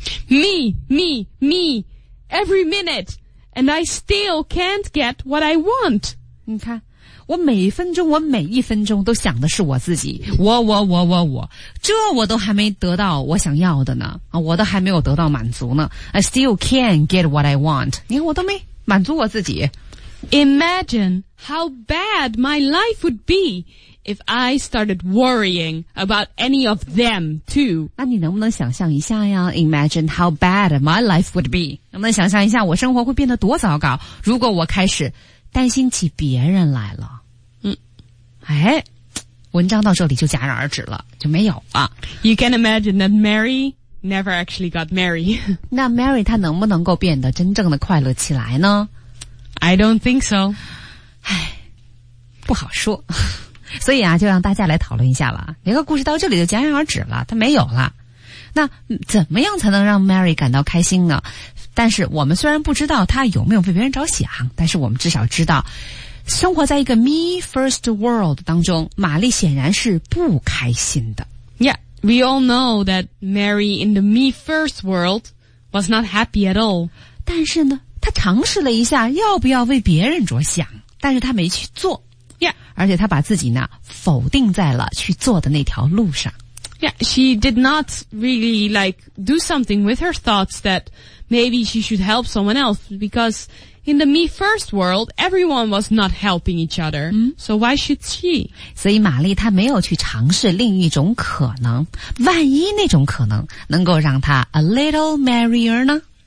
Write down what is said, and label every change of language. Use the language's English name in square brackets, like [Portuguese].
[English] Me, me, me, every minute, and I still can't get what I want. [Chinese] 你看，我每分钟，我每一分钟都想的是我自己，我，这我都还没得到我想要的呢，我都还没有得到满足呢。 [English] I still can't get what I want. [Chinese] 你看，我都没满足我自己。 [English] Imagine how bad my life would be if I started worrying about any of them too. [Chinese] 那你能不能想象一下呀 [English] ？Imagine how bad my life would be. [Chinese] 能不能想象一下我生活会变得多糟糕？如果我开始担心起别人来了，哎，文章到这里就戛然而止了，就没有了。 [English] You can imagine that Mary never actually got married. [Chinese] 那 Mary 她能不能够变得真正的快乐起来呢？ [English] I don't think so. [Chinese] 唉，不好说。所以啊，就让大家来讨论一下了。一个故事到这里就戛然而止了，它没有了。那怎么样才能让 Mary 感到开心呢？但是我们虽然不知道她有没有为别人着想，但是我们至少知道，生活在一个 [English] me first world [Chinese] 当中，玛丽显然是不开心的。 [English] Yeah, we all know that Mary in the me first world was not happy at all. [Chinese] 但是呢，他尝试了一下要不要为别人着想，但是他没去做。 [English] Yeah. [Chinese] 而且他把自己呢否定在了去做的那条路上。 [English] Yeah, she did not really like do something with her thoughts that maybe she should help someone else because in the me first world, everyone was not helping each other.、Mm-hmm. So why should she? [Chinese] 所以玛丽她没有去尝试另一种可能，万一那种可能能够让她 [English] a little merrier [Chinese] 呢？